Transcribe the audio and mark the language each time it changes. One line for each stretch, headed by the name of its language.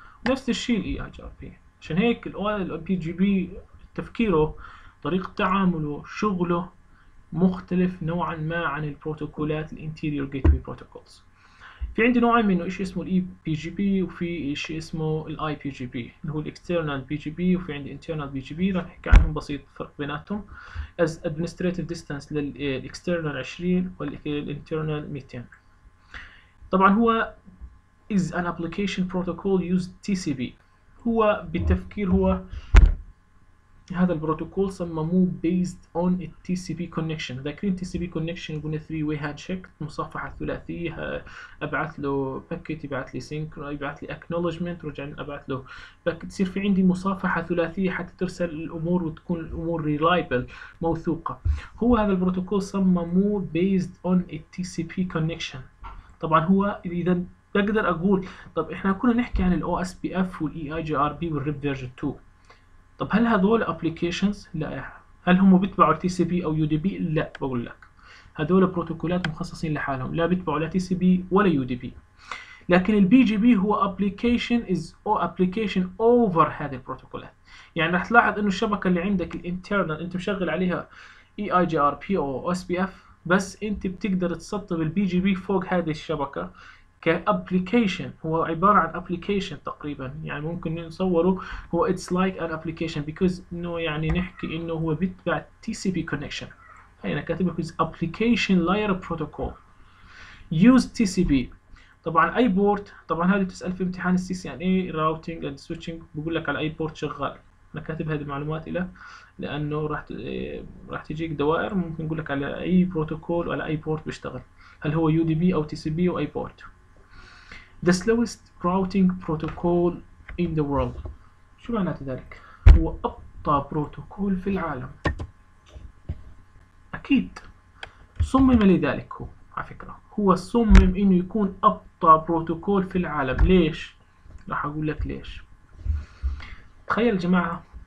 Arabic: نفس الشيء الـ EIGRP، عشان هيك الـ BGP تفكيره، طريقة تعامله، شغله مختلف نوعا ما عن البروتوكولات الـ Interior Gateway Protocols. في عندي نوعين منه، شيء اسمه الـ EBGP وفي شيء اسمه الـ IPGP اللي هو الـ External BGP، وفي عندي Internal BGP رح نحكي عنهم بسيط فرق بيناتهم.
English: As Administrative Distance للـ External 20 والـ Internal 200.
Arabic: طبعا هو is an application protocol used TCP، هو بالتفكير هو هذا البروتوكول صمموه based on a TCP connection. ذاكرين TCP connection يقولنا 3-way handshake، مصفحة ثلاثية، أبعث له packet، يبعث لي sync، يبعث لي acknowledgement، رجع أبعث له packet، تصير في عندي مصفحة ثلاثية حتى ترسل الأمور وتكون الأمور reliable موثوقة. هو هذا البروتوكول صمموه based on a TCP connection. طبعا هو إذا بقدر أقول، طب إحنا كنا نحكي عن الـ OSPF والـ EIGRP والـ RIP version 2، طب هل هذول applications؟ لا. هل هم بيتبعوا TCP أو UDP؟ لا، بقول لك هذول بروتوكولات مخصصين لحالهم، لا بيتبعوا لا TCP ولا UDP. لكن الـ BGP هو application is or application over هذه البروتوكولات. يعني رح تلاحظ إنه الشبكة اللي عندك الـ internal أنت مشغل عليها EIGRP أو OSPF، بس أنت بتقدر تسطب الـ BGP فوق هذه الشبكة كابليكيشن. هو عبارة عن ابليكيشن تقريبا، يعني ممكن نصوره هو it's like an application because انه يعني نحكي انه هو بيتبع TCP connection.
English: هاي انا كاتب لك application layer protocol use TCP.
Arabic: طبعا اي بورت، طبعا هذه تسأل في امتحان السي سي ان اي راوتينج اند سويتشنج، بقول لك على اي بورت شغال. انا كاتب هذه المعلومات الى لانه راح تجيك دوائر، ممكن اقول لك على اي بروتوكول وعلى اي بورت بيشتغل، هل هو UDP او TCP او اي بورت.
English: The slowest routing protocol in the world.
Arabic: شو معنات ذلك؟ هو أبطأ بروتوكول في العالم. أكيد. صمم لذلك هو. على فكرة. هو صمم إنه يكون أبطأ بروتوكول في العالم. ليش؟ راح أقول لك ليش. تخيل جماعة.